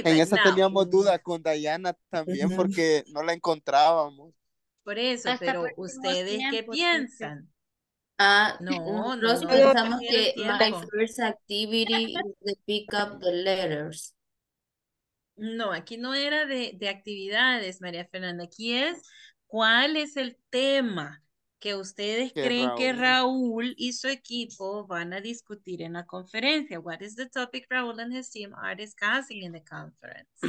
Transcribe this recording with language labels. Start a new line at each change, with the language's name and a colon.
Spanish: en esa teníamos duda con Diana también porque no la encontrábamos. Por eso, hasta pero ¿ustedes tiempo, qué piensan? Pensamos que
English: the first activity is to pick up the letters.
Spanish: No, aquí no era de actividades, María Fernanda. Aquí es, ¿cuál es el tema que ustedes creen que Raúl y su equipo van a discutir en la conferencia?
English: What is the topic Raúl and his team are discussing in the conference?